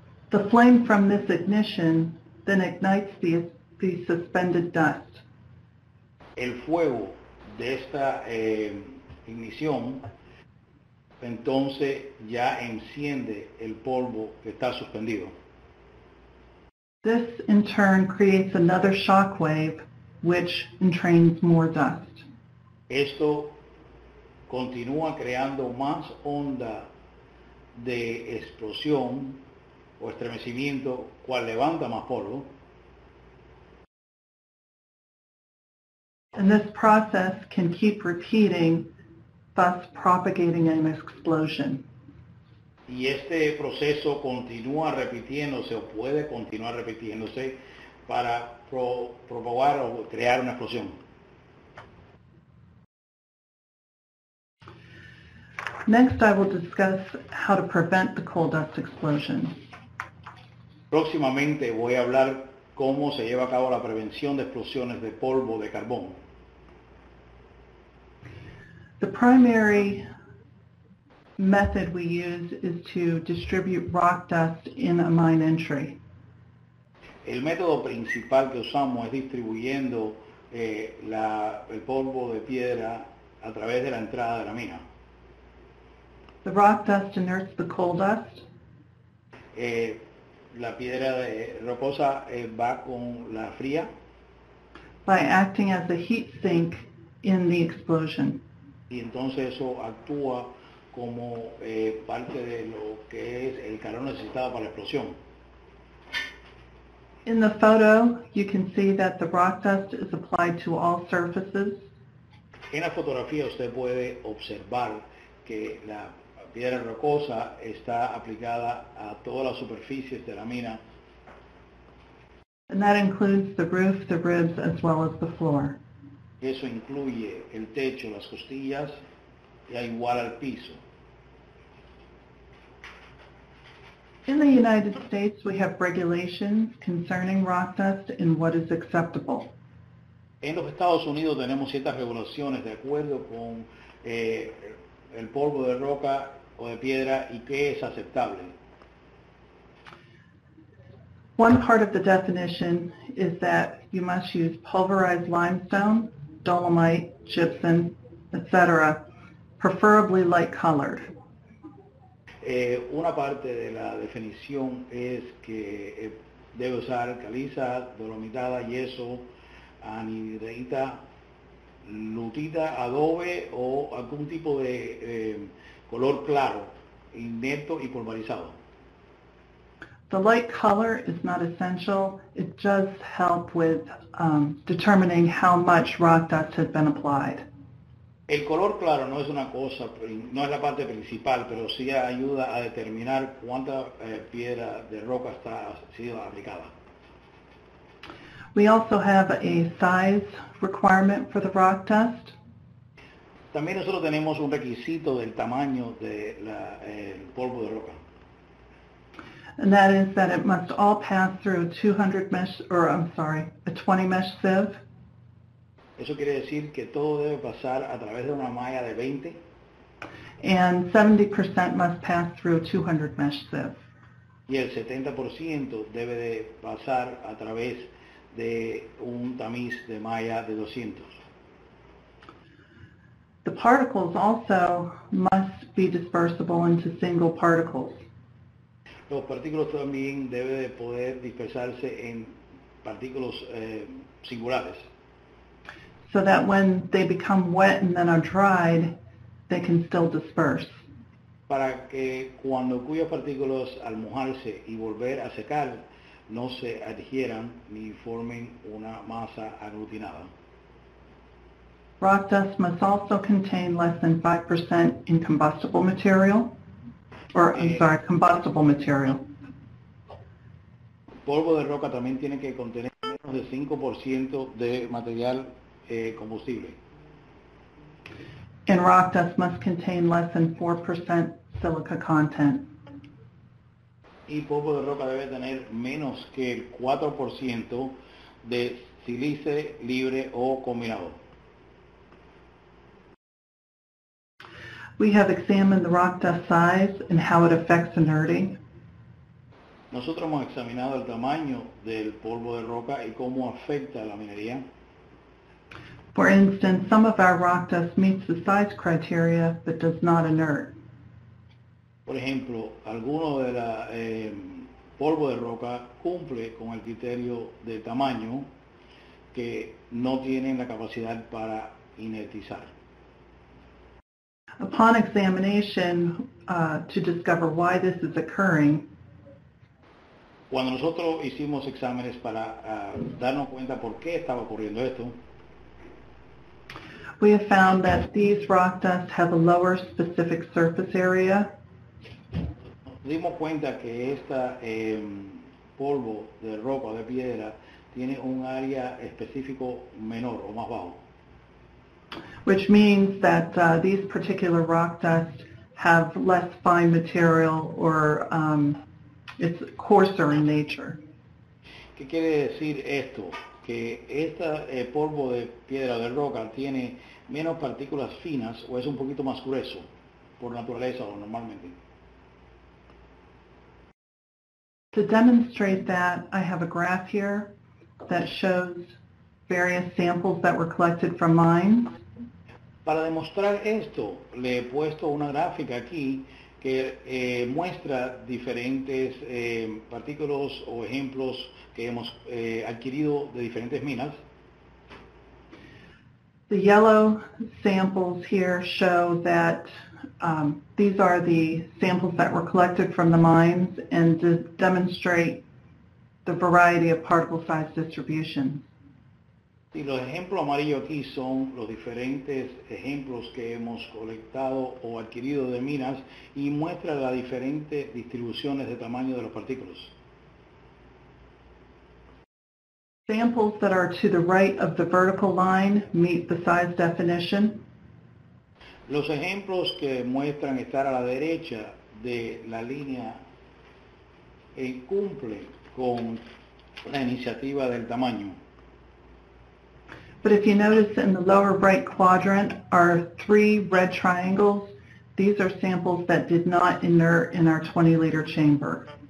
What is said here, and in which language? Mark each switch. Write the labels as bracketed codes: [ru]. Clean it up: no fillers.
[en] The flame from this ignition then ignites the suspended dust. [es] El fuego de esta ignición entonces ya enciende el polvo que está suspendido. [en] This, in turn, creates another shock wave, which entrains more dust. [es] Esto continúa creando más onda de explosión o estremecimiento, cual levanta más polvo. [en] And this process can keep repeating, thus propagating an explosion. [es] Y este proceso continúa repitiéndose o puede continuar repitiéndose para propagar o crear una explosión. [en] Next, I will discuss how to prevent the coal dust explosion. [es] Próximamente voy a hablar cómo se lleva a cabo la prevención de explosiones de polvo de carbón. [en] The primary method we use is to distribute rock dust in a mine entry. [es] El método principal que usamos es distribuyendo el polvo de piedra a través de la entrada de la mina. [en] The rock dust inerts the coal dust. [es] La piedra de rocosa va con la fría. [en] By acting as a heat sink in the explosion. [es] Y entonces eso actúa como parte de lo que es el calor necesitado para la explosión. [en] In the photo, you can see that the rock dust is applied to all surfaces. [es] En la fotografía usted puede observar que la piedra rocosa está aplicada a todas las superficies de la mina. [en] And that includes the roof, the ribs, as well as the floor. [es] Eso incluye el techo, las costillas, y igual al piso. [en] In the United States, we have regulations concerning rock dust and what is acceptable. [es] En los Estados Unidos tenemos ciertas regulaciones de acuerdo con el polvo de roca o de piedra y qué es aceptable. [en] One part of the definition is that you must use pulverized limestone, dolomite, gypsum, etc., preferably light colored. [es] Una parte de la definición es que debe usar caliza, dolomitada, yeso, anhidrita, lutita, adobe o algún tipo de color claro, inerto y pulverizado. [en] The light color is not essential. It does help with determining how much rock dust has been applied. [es] El color claro no es una cosa, no es la parte principal, pero sí ayuda a determinar cuánta piedra de roca está sido aplicada. [en] We also have a size requirement for the rock dust. [es] También nosotros tenemos un requisito del tamaño de el polvo de roca. [en] And that is that it must all pass through a 20 mesh sieve. [es] Eso quiere decir que todo debe pasar a través de una malla de 20. [en] And 70% must pass through a 200 mesh sieve. [es] Y el 70% debe de pasar a través de un tamiz de malla de 200. [en] The particles also must be dispersible into single particles. [es] Los partículos también deben de poder dispersarse en partículos singulares. [en] So that when they become wet and then are dried, they can still disperse. [es] Para que cuando cuyos partículos al mojarse y volver a secar, no se adhieran ni formen una masa aglutinada. [en] Rock dust must also contain less than 5% in combustible material. Combustible material. [es] Polvo de roca también tiene que contener menos de 5% de material combustible. [en] And rock dust must contain less than 4% silica content. [es] Y polvo de roca debe tener menos que el 4% de sílice libre o combinado. [en] We have examined the rock dust size and how it affects inerting. [es] Nosotros hemos examinado el tamaño del polvo de roca y cómo afecta a la minería. [en] For instance, some of our rock dust meets the size criteria but does not inert. [es] Por ejemplo, algunos de la polvo de roca cumple con el criterio de tamaño que no tienen la capacidad para inertizar. [en] Upon examination, to discover why this is occurring, [es] cuando nosotros hicimos exámenes para darnos cuenta por qué estaba ocurriendo esto, [en] we have found that these rock dust have a lower specific surface area. [es] Dimos cuenta que esta polvo de roca o de piedra tiene un área específico menor o más bajo. [en] Which means that these particular rock dust have less fine material or it's coarser in nature. [es] ¿Qué quiere decir esto? Que esta polvo de piedra de roca tiene menos partículas finas o es un poquito más grueso por naturaleza o normalmente. [en] To demonstrate that, I have a graph here that shows various samples that were collected from mines. [es] Para demostrar esto, le he puesto una gráfica aquí que muestra diferentes partículas o ejemplos que hemos adquirido de diferentes minas. [en] The yellow samples here show that these are the samples that were collected from the mines and to demonstrate the variety of particle size distribution. [es] Y los ejemplos amarillos aquí son los diferentes ejemplos que hemos colectado o adquirido de minas y muestra las diferentes distribuciones de tamaño de los partículas. [en] Samples that are to the right of the vertical line meet the size definition. [es] Los ejemplos que muestran estar a la derecha de la línea cumplen con la iniciativa del tamaño. [en] But if you notice in the lower right quadrant are three red triangles, these are samples that did not inert in our 20 liter chamber.